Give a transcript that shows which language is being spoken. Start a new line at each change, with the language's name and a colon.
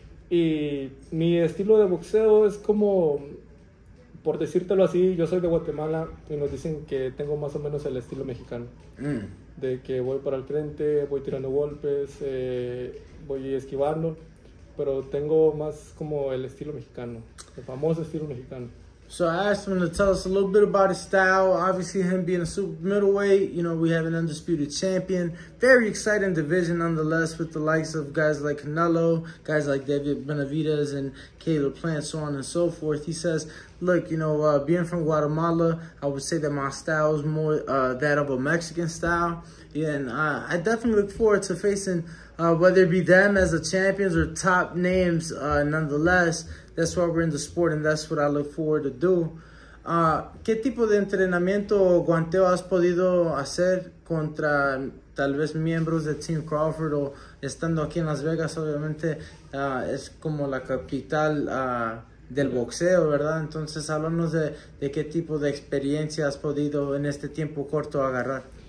Spanish: Y mi estilo de boxeo es como, por decírtelo así, yo soy de Guatemala y nos dicen que tengo más o menos el estilo mexicano. De que voy para el frente, voy tirando golpes, voy esquivando, pero tengo más como el estilo mexicano, el famoso estilo mexicano.
English: So I asked him to tell us a little bit about his style. Obviously, him being a super middleweight, you know, we have an undisputed champion. Very exciting division nonetheless, with the likes of guys like Canelo, guys like David Benavidez and Caleb Plant, so on and so forth. He says, look, you know, being from Guatemala, I would say that my style is more that of a Mexican style. Yeah, and I definitely look forward to facing, whether it be them as the champions or top names nonetheless. That's why we're in the sport, and that's what I look forward to do.
Spanish: ¿Qué tipo de entrenamiento o guanteo has podido hacer contra tal vez miembros de Team Crawford, o estando aquí en Las Vegas? Obviamente, es como la capital del boxeo, ¿verdad? Entonces, háblanos de qué tipo de experiencia has podido en este tiempo corto agarrar.